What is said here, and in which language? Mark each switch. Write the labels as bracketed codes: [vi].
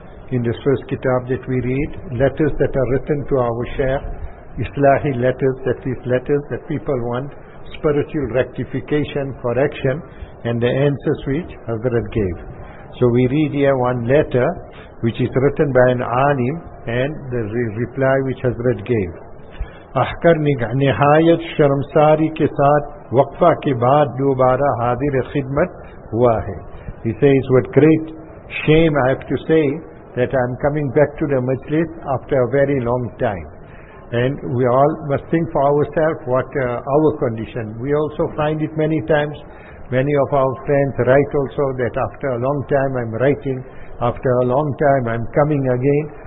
[en] In this first kitab that we read, letters that are written to our Shaykh, Islahi letters, that these letters that people want spiritual rectification, correction, and the answers which Hazrat gave. So we read here one letter which is written by an alim and the reply which Hazrat gave. [ur] احکر نہایت شرمساری کے ساتھ وقفہ کے بعد دوبارہ حاضر خدمت ہوا ہے. [en] He says, what great shame I have to say that I am coming back to the majlis after a very long time. And we all must think for ourselves what our condition. We also find it many times. Many of our friends write also that after a long time I am writing, after a long time I am coming again.